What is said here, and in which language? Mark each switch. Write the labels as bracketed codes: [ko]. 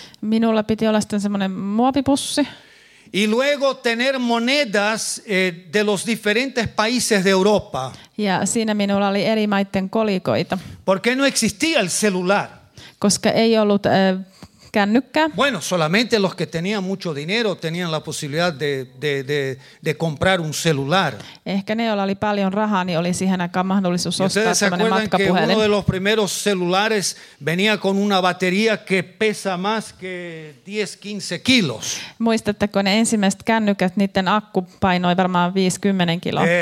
[fi] Minulla piti olla sitten semmoinen muovipussi. [es] Y luego tener monedas de los diferentes países de Europa. [fi] Ja siinä minulla oli eri maiden kolikoita. [es] Porque no existía el celular. [fi] Koska ei ollut kännykkää. [es] Bueno, solamente los que tenían mucho dinero tenían la posibilidad de comprar un celular. [fi] Ehkä ne, joilla oli paljon rahaa, niin oli siihen aikaan mahdollisuus ostaa tämmöinen matkapuhelin. [es] ¿Ustedes acuerdan que uno de los primeros celulares venía con una batería que pesa más que 10-15 kilos? [fi] Muistatteko ne ensimmäiset kännykät, niiden akku painoi varmaan 50 kiloa.